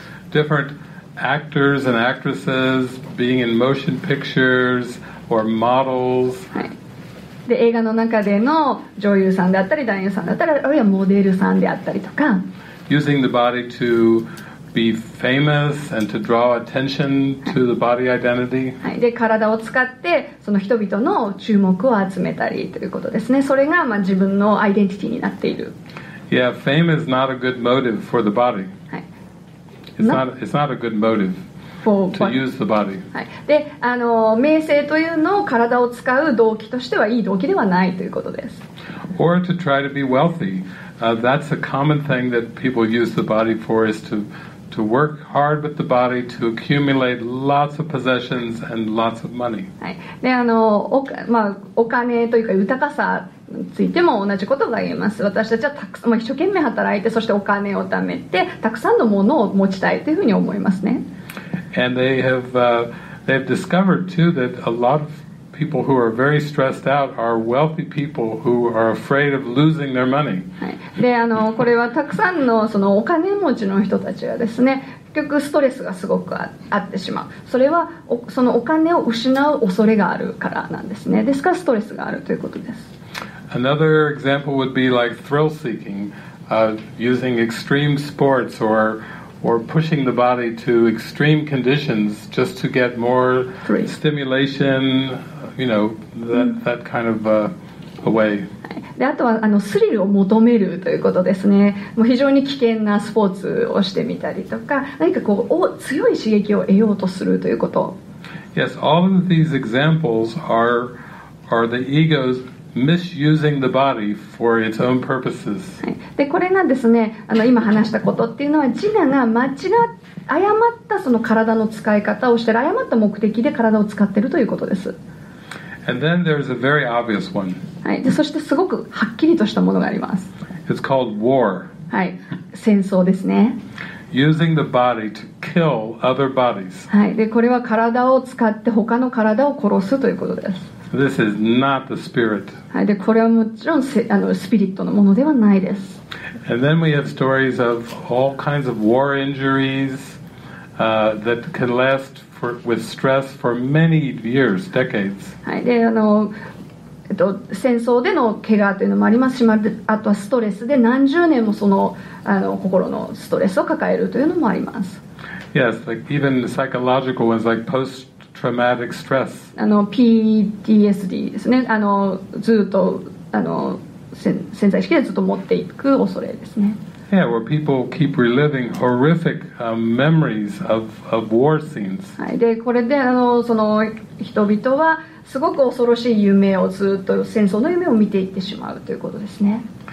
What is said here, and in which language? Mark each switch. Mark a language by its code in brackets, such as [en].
[en] Different actors and actresses being in motion pictures or models、 [ja] はい、で映画の中での女優さんであったり男優さんであったり、あるいはモデルさんであったりとか、 [en] using the body to be famous and to draw attention to the body identity、 [ja] はい、で体を使ってその人々の注目を集めたりということですね。それがまあ自分のアイデンティティになっている。 [en] Yeah, fame is not a good motive for the body、 [ja] はい、 [en] It's not a good motive to use the body、 [ja] はい、で、あの名声というのを体を使う動機としてはいい動機ではないということです。 [en] Or to try to be wealthy、that's a common thing that people use the body for, is to work hard with the body to accumulate lots of possessions and lots of money. [ja] はい。で、あの、まあ、お金というか豊かさについても同じことが言えます。私たちはたくさん、まあ、一生懸命働いて、そしてお金を貯めて、たくさんのものを持ちたいというふうに思いますね。 [en] And they have discovered too that a lot of people who are very stressed out are wealthy people who are afraid of losing their money. [ja] であのこれはたくさんのそのお金持ちの人たちがですね、結局ストレスがすごくあってしまう。それはそのお金を失う恐れがあるからなんですね。ですからストレスがあるということです。 [en] Another example would be like thrill seeking, using extreme sports or pushing the body to extreme conditions just to get more stimulation, you know, that kind of a way. [ja] で、あとはあのスリルを求めるということですね。もう非常に危険なスポーツをしてみたりとか、何かこう強い刺激を得ようとするということ。 [en] Yes, all of these examples are the ego's misusing the body for its own purposes.、 [ja] はい、で、これがですね、あの今話したことっていうのは、自我が間違っ、誤ったその体の使い方をしてる、誤った目的で体を使ってるということです。 [en] And then there's a very obvious one. [ja] はい、で、そしてすごくはっきりとしたものがあります。 [en] It's called war. [ja] はい、戦争ですね。 [en] Using the body to kill other bodies. [ja] はい、で、これは体を使って他の体を殺すということです。 [en] This is not the spirit. [ja] はい、で、これはもちろんあのスピリットのものではないです。 [en] And then we have stories of all kinds of war injuries, that can last. With stress for many years, decades. [ja] はい、で、あの、戦争での怪我というのもありますし、あとはストレスで何十年もその、あの、心のストレスを抱えるというのもあります。 [en] Yes, like even the psychological ones, like post-traumatic stress. [ja] あの、PTSD ですね。あの、ずっと、あの、潜在意識でずっと持っていく恐れですね。 [en] Yeah, where people keep reliving horrific memories of war scenes. [ja] はい、で、これで、あの、その人々はすごく恐ろしい夢をずっと戦争の夢を見ていってしまうということですね。